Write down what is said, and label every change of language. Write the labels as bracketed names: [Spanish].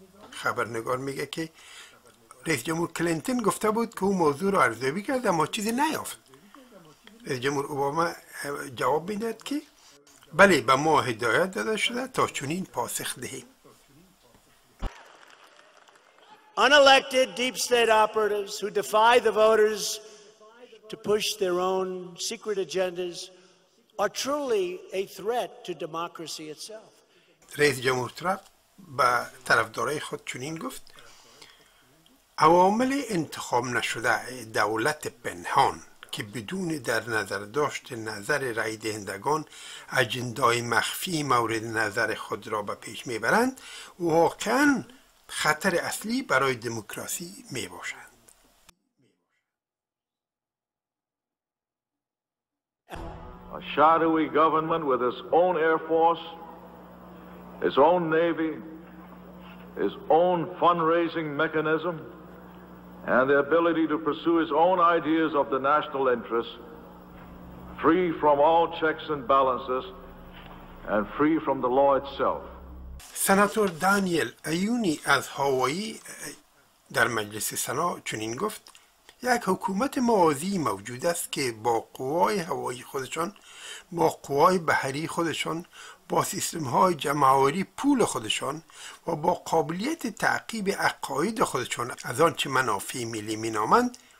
[Persian] خبرنگار میگه که رئیس جمهور کلینتون گفته بود که او موضوع را ارزیابی کرد اما چیزی نیافت. رئیس جمهور اوباما جواب میدهد که بله به ما هدایت داده شده تا چنین پاسخ دهیم. [English] Unelected deep state operatives who defy the voters to push their own secret agendas are truly a threat to democracy itself. [Persian] رئیس جمهور ترامپ با طرفدارای خود چنین گفت: عوامل انتخاب نشده دولت پنهان که بدون در نظر داشت نظر رای دهندگان اجندای مخفی مورد نظر خود را به پیش میبرند واقعا خطر اصلی برای دموکراسی میباشند. [English] A shadowy government with its own air force, its own navy, its own fundraising mechanism, and the ability to pursue its own ideas of the national interest, free from all checks and balances, and free from the law itself. [Persian] سناتور دانیل ایونی از هاوایی در مجلس سنا چنین گفت: یک حکومت موازی موجود است که با قوای هوایی خودشان، با قوای بحری خودشان، با سیستم های جمع‌آوری پول خودشان و با قابلیت تعقیب عقاید خودشان از آنچه منافع ملی می‌نامند،